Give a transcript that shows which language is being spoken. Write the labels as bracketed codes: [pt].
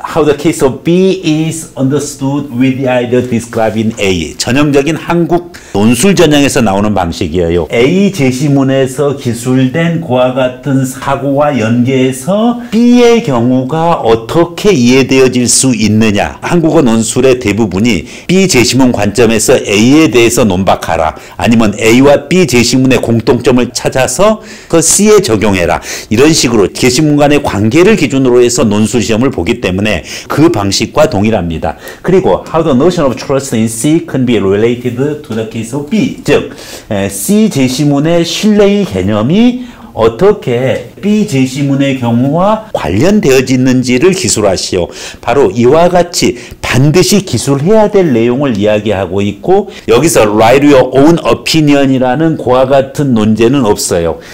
[en] How the case of B is understood with the idea described in A. [ko] 전형적인 한국 논술 전형에서 나오는 방식이에요. A 제시문에서 기술된 그와 같은 사고와 연계해서 B의 경우가 어떻게 이해되어질 수 있느냐. 한국어 논술의 대부분이 B 제시문 관점에서 A에 대해서 논박하라. 아니면 A와 B 제시문의 공통점을 찾아서 그 C에 적용해라. 이런 식으로 제시문 간의 관계를 기준으로 해서 논술 시험을 보기 때문에 그 방식과 동일합니다. 그리고 [en] How the notion of trust in C can be related to the case of B. [ko] 즉, C 제시문의 신뢰의 개념이 어떻게 B 제시문의 경우와 관련되어지는지를 기술하시오. 바로 이와 같이 반드시 기술해야 될 내용을 이야기하고 있고 여기서 [en] write your own opinion [ko] 이라는 그와 같은 논제는 없어요.